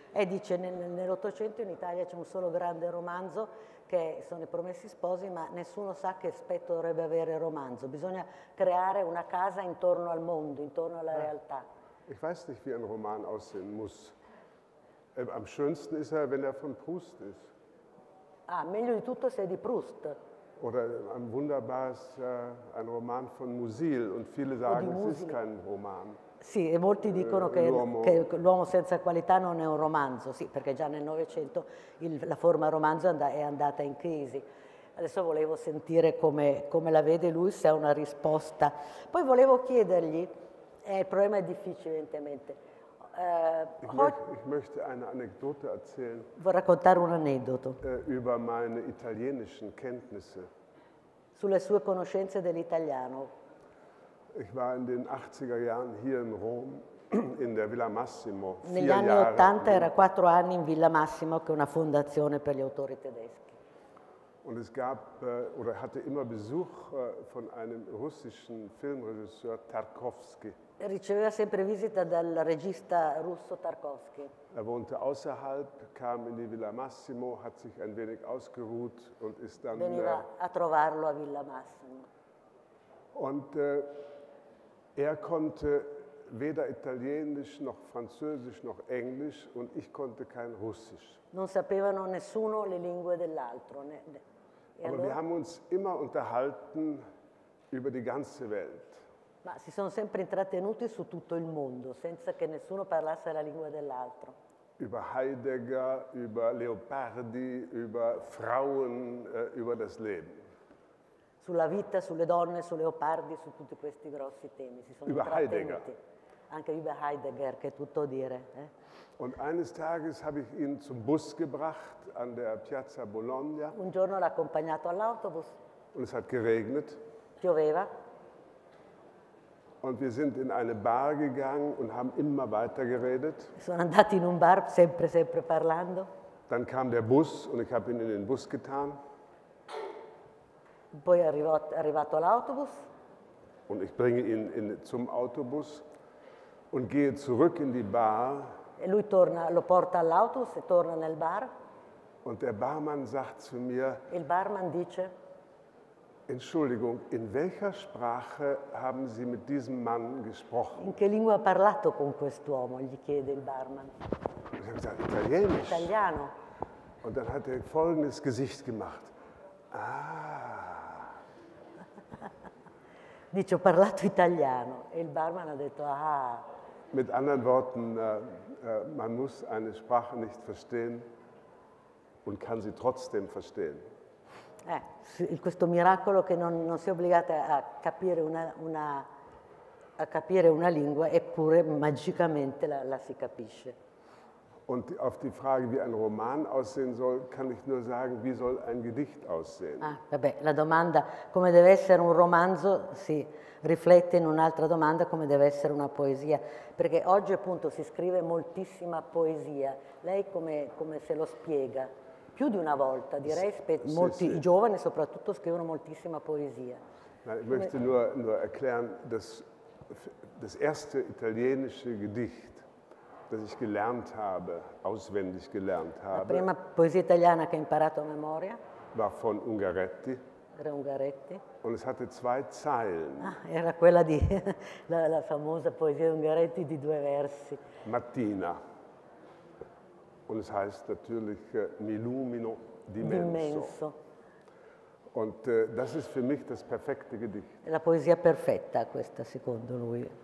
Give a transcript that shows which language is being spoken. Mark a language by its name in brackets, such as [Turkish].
[Italian] Dice, nell'Ottocento in Italia c'è un solo grande romanzo che sono I Promessi Sposi, ma nessuno sa che aspetto dovrebbe avere il romanzo. Bisogna creare una casa intorno al mondo, intorno alla realtà. [German] Ich weiß nicht, wie ein Roman aussehen muss. Am schönsten ist er, wenn er von Proust ist. [Italian] Ah, meglio di tutto se è di Proust. [German] Oder ein wunderbares ein Roman von Musil. Und viele sagen, es ist kein Roman. [Italian] Sì, e molti dicono che l'uomo senza qualità non è un romanzo. Sì, perché già nel Novecento la forma romanzo è andata in crisi. Adesso volevo sentire come la vede lui, se ha una risposta. Poi volevo chiedergli, il problema è difficile, evidentemente. Vorrei raccontare un aneddoto [German] über meine italienischen Kenntnisse. [Italian] Sulle sue conoscenze dell'italiano. [German] Ich war in den 80er Jahren hier in Rom, in der Villa Massimo. [Italian] Negli anni 80 era 4 anni in Villa Massimo, che è una fondazione per gli autori tedeschi. [German] Und es gab oder hatte immer Besuch von einem russischen Filmregisseur Tarkovsky. [Italian] Riceveva sempre visita dal regista russo Tarkovsky. [German] Er wohnte außerhalb, kam in die Villa Massimo, hat sich ein wenig ausgeruht und ist dann. [Italian] Veniva a trovarlo a Villa Massimo. [German] Und er konnte weder Italienisch noch Französisch noch Englisch und ich konnte kein Russisch. [Italian] Non sapevano nessuno le lingue dell'altro. [German] Aber wir haben uns immer unterhalten über die ganze Welt. [Italian] Ma si sono sempre intrattenuti su tutto il mondo, senza che nessuno parlasse la lingua dell'altro. [German] Über Heidegger, über Leopardi, über Frauen, über das Leben. [Italian] Sulla vita, sulle donne, su Leopardi, su tutti questi grossi temi. Si sono [German] über Heidegger. [Italian] Anche über Heidegger, che è tutto dire. [German] Und eines Tages habe ich ihn zum Bus gebracht an der Piazza Bologna. [Italian] Un giorno l'ha accompagnato all'autobus. [German] Und es hat geregnet. [Italian] Pioveva. [German] Und wir sind in eine Bar gegangen und haben immer weiter geredet. [Italian] Sono andati in un bar sempre parlando. [German] Dann kam der Bus und ich habe ihn in den Bus getan. [Italian] Poi arrivato l'autobus. [German] Und ich bringe ihn zum Autobus und gehe zurück in die Bar. [Italian] E lui torna, lo porta all'autobus e torna nel bar. [German] Und der Barmann sagt zu mir. [Italian] Il barman dice. [German] Entschuldigung, in welcher Sprache haben Sie mit diesem Mann gesprochen? [Italian] In che lingua ha parlato con quest'uomo? Gli chiede il barman. [German] Ich habe gesagt, Italienisch. [Italian] Italiano. [German] Und dann hat er folgendes Gesicht gemacht. Ah. [Italian] Dice, ho parlato italiano. E il barman ha detto, ah. [German] Mit anderen Worten, man muss eine Sprache nicht verstehen und kann sie trotzdem verstehen. [Italian] Questo miracolo che non si è obbligato a capire una lingua, eppure magicamente la si capisce. [German] Und auf die Frage, wie ein Roman aussehen soll, kann ich nur sagen, wie soll ein Gedicht aussehen? [Italian] Ah, vabbè, la domanda come deve essere un romanzo si riflette in un'altra domanda come deve essere una poesia. Perché oggi appunto si scrive moltissima poesia. Lei come se lo spiega? Più di una volta, direi, i giovani soprattutto scrivono moltissima poesia. [German] Ma ich möchte nur erklären, dass das erste italienische Gedicht, das ich gelernt habe, auswendig gelernt habe. [Italian] La prima poesia italiana che ho imparato a memoria. [German] War von Ungaretti. [Italian] Era Ungaretti. [German] Und es hatte zwei Zeilen. [Italian] Ah, era quella di la famosa poesia di Ungaretti di due versi. Mattina. [German] Und es heißt natürlich [Italian] Milumino dimenso. [German] Und das ist für mich das perfekte Gedicht. [Italian] La poesia perfetta questa secondo lui.